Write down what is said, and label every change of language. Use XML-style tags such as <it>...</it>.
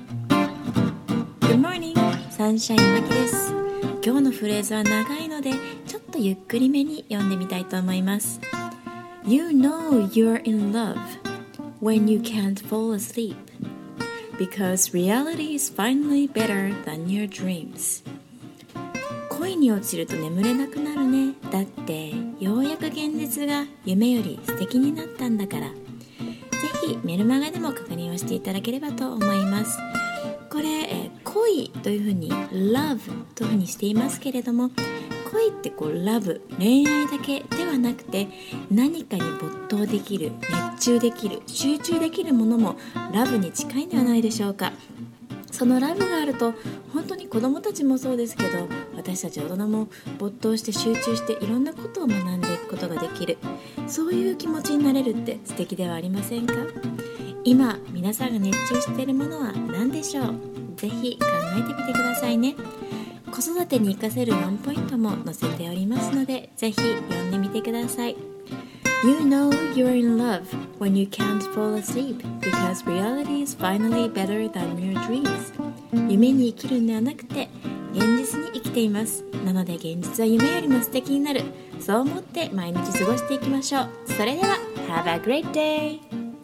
<en>Good morning,</en> <ja>サンシャインマキです。今日のフレーズは長いのでちょっとゆっくりめに読んでみたいと思います。</ja> <en>You know you're in love when you can't fall asleep because reality is finally better than your dreams。</en> <ja>恋に落ちると眠れなくなるね。だってようやく現実が夢より素敵になったんだから。ぜひメルマガでも確認をしていただければと思います。これ恋というふうに love というふうにしていますけれども、恋ってこう love 恋愛だけではなくて、何かに没頭できる、熱中できる、集中できるものも love に近いんではないでしょうか。その love があると本当に子どもたちもそうですけど、私たち大人も没頭して集中していろんなことを学んでいくことができる、そういう気持ちになれるって素敵ではありませんか。今皆さんが熱中しているものは何でしょう。ぜひ考えてみてくださいね。子育てに生かせるワンポイントも載せておりますので、ぜひ読んでみてください。</ja> <en>You know you're in love when you can't fall asleep because reality is finally better than your dreams。</en> <ja>夢に生きるんではなくて現実に生きています。なので現実は夢よりも素敵になる、そう思って毎日過ごしていきましょう。それでは</ja> <en>Have a great day!</en>